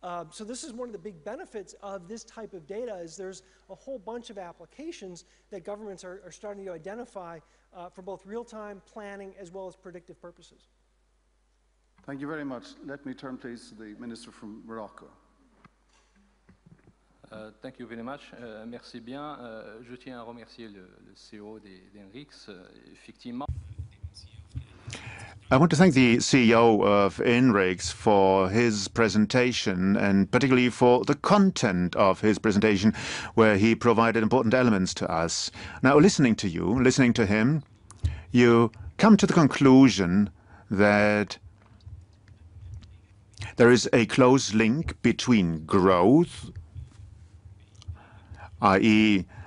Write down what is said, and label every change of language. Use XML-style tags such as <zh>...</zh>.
<en>So this is one of the big benefits of this type of data, is there's a whole bunch of applications that governments are starting to identify for both real-time planning as well as predictive purposes. Thank you very much. Let me turn, please, to the Minister from Morocco. Thank you very much.</en> <fr>Merci bien. Je tiens à remercier le CEO d'Enrix. Effectivement.</fr> <en>I want to thank the CEO of Enrix for his presentation, and particularly for the content of his presentation, where he provided important elements to us. Now, listening to him, you come to the conclusion that there is a close link between growth, i.e.</en>